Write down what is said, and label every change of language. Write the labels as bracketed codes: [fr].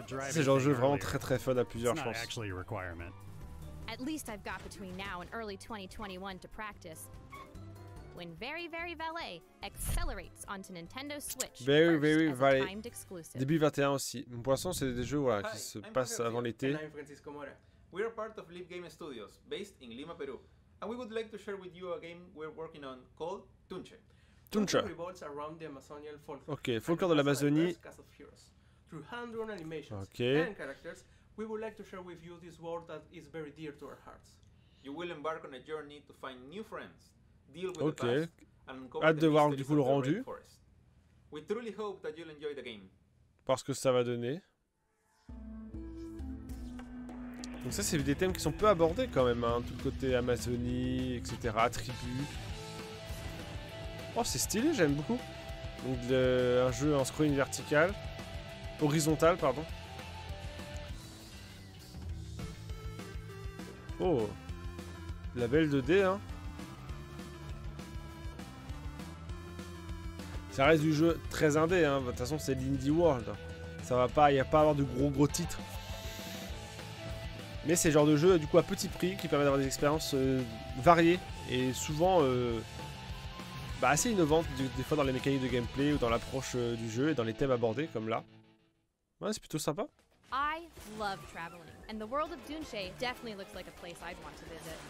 [fr] C'est genre un jeu vraiment très très fun à plusieurs, je pense. [en] At least I've got between now and early 2021 to practice. when Very Very Valet accelerates onto Nintendo Switch. [fr] Very Very Valet. Début 21 aussi. Pour l'instant, c'est des jeux voilà, qui se passent avant l'été. [en] I'm Francisco Mora. We are part of Leap Game Studios, based in Lima, Peru. And we would like to share with you a game we're working on called Tunche. Tunche. It revolves around the Amazonian folklore. [fr] Okay, folklore de l'Amazonie. [en] Through hand-drawn animations and characters, we would like to share with you this world that is very dear to our hearts. You will embark on a journey to find new friends, deal with the past, and uncover the mysteries of the Red Forest. We truly hope that you'll enjoy the game. [fr] Parce que ça va donner. Donc ça, c'est des thèmes qui sont peu abordés quand même, hein, tout le côté Amazonie, etc., tribus. Oh, c'est stylé, j'aime beaucoup. Donc un jeu en scrolling vertical. Horizontal, pardon. Oh, la belle 2D, hein. Ça reste du jeu très indé, hein. De toute façon, c'est l'Indie World. Ça va pas, il n'y a pas à avoir de gros titres. Mais c'est le genre de jeu du coup à petit prix qui permet d'avoir des expériences variées et souvent assez innovantes des fois dans les mécaniques de gameplay ou dans l'approche du jeu et dans les thèmes abordés comme là. Ouais, c'est plutôt sympa. [en] I love traveling and the world of Dunche definitely looks like a place I'd want to visit.